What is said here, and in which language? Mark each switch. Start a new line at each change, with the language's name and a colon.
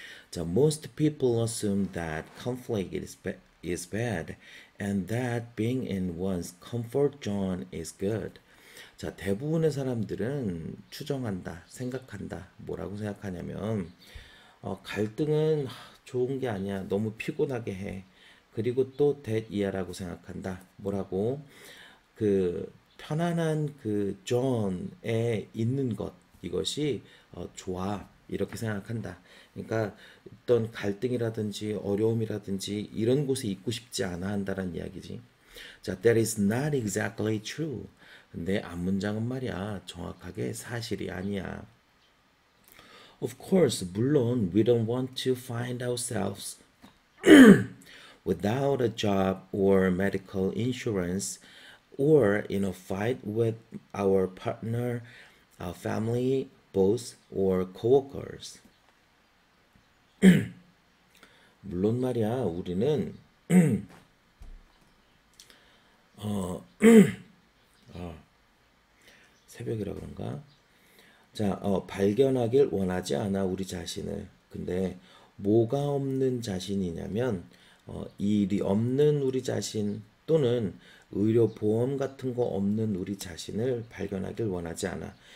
English: 자, most people assume that conflict is bad and that being in one's comfort zone is good.
Korean: 자, 대부분의 사람들은 추정한다, 생각한다. 뭐라고 생각하냐면, 갈등은 좋은 게 아니야. 너무 피곤하게 해. 그리고 또 대이하라고 생각한다. 뭐라고? 그 편안한 그 존에 있는 것, 이것이 좋아. 이렇게 생각한다. 그러니까 어떤 갈등이라든지 어려움이라든지 이런 곳에 있고 싶지 않아 한다는 이야기지.
English: 자, that is not exactly true.
Korean: 근데 앞 문장은 말이야. 정확하게 사실이 아니야.
English: Of course,
Korean: 물론
English: we don't want to find ourselves without a job or medical insurance or in a fight with our partner, our family, Boss or coworkers.
Korean: 물론 말이야, 우리는 새벽이라 그런가? 자, 발견하길 원하지 않아 우리 자신을. 근데 뭐가 없는 자신이냐면 일이 없는 우리 자신 또는 의료보험 같은 거 없는 우리 자신을 발견하길 원하지 않아.